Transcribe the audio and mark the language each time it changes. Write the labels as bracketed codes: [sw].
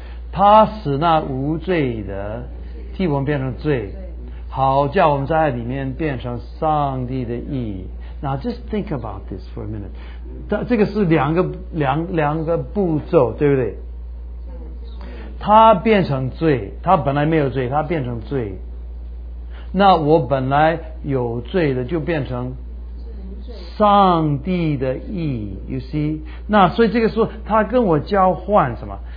[zh] 他使那无罪的替我们变成罪，好叫我们在里面变成上帝的义。 [en] Now just think about this for a minute. [zh] 这个是两个步骤，对不对？他变成罪，他本来没有罪，他变成罪，那我本来有罪的就变成上帝的义。 [en] You see， [zh] 那所以这个说他跟我交换什么？